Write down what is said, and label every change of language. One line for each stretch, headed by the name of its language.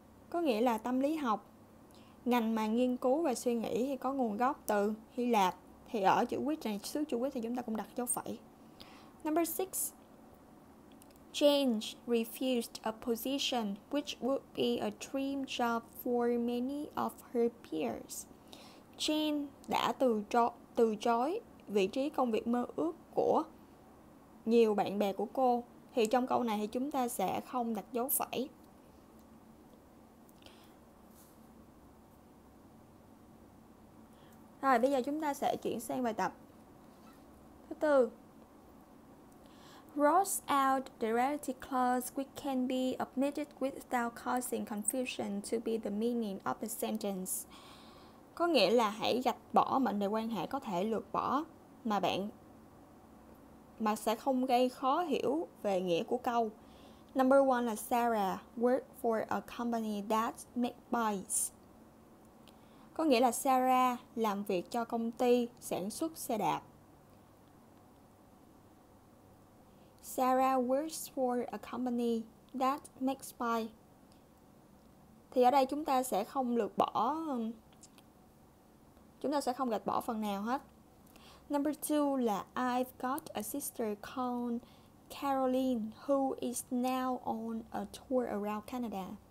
Vietnamese: Có nghĩa là tâm lý học, ngành mà nghiên cứu và suy nghĩ thì có nguồn gốc từ Hy Lạp. Thì ở chữ quyết này, xuất chữ quyết thì chúng ta cũng đặt dấu phẩy.
English: Number 6, change refused a position which would be a dream job for many of her peers.
Vietnamese: Jane đã từ chối vị trí công việc mơ ước của nhiều bạn bè của cô. Thì trong câu này thì chúng ta sẽ không đặt dấu phẩy. Rồi, bây giờ chúng ta sẽ chuyển sang bài tập thứ tư.
English: Rolls out the relative clause which can be omitted without causing confusion to be the meaning of the sentence.
Vietnamese: Có nghĩa là hãy gạch bỏ mệnh đề quan hệ có thể lược bỏ mà sẽ không gây khó hiểu về nghĩa của câu.
English: Number one là Sarah worked for a company that made bikes.
Vietnamese: Có nghĩa là Sarah làm việc cho công ty sản xuất xe đạp.
English: Sarah works for a company that makes bike.
Vietnamese: Thì ở đây chúng ta sẽ không lược bỏ, chúng ta sẽ không gạch bỏ phần nào hết.
English: Number two là I've got a sister called Caroline who is now on a tour around Canada.